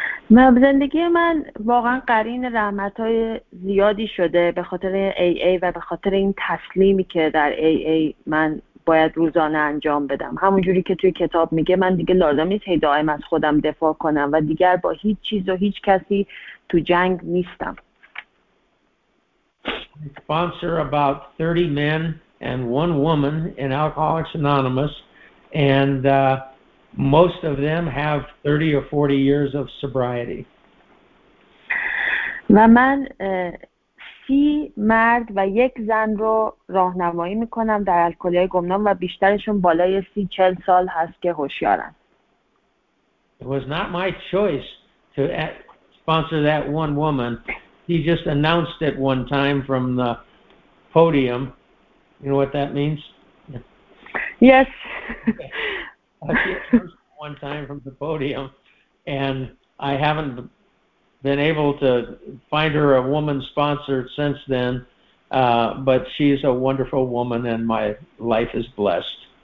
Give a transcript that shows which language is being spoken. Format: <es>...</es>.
<fa>من زندگی من واقعا قرین رحمت‌های زیادی شده به خاطر AA و به خاطر این تسلیمی که در AA من باید روزانه انجام بدم. همون جوری که توی کتاب میگه من دیگه لازم نیست هی دائم از خودم دفاع کنم و دیگر با هیچ چیز و هیچ کسی تو جنگ نیستم.</fa> <en>I sponsor about 30 men and one woman in Alcoholics Anonymous and most of them have 30 or 40 years of sobriety.</en> <fa>و من 30 مرد و یک زن رو راهنمایی میکنم در الکلی‌های گمنام و بیشترشون بالای 30-40 سال هست که هوشیارن.</fa> <en>It was not my choice to sponsor that one woman. He just announced it one time from the podium. You know what that means? Yes. I first one time from the podium, and I haven't been able to find her a woman sponsor since then, but she's a wonderful woman, and my life is blessed.</en>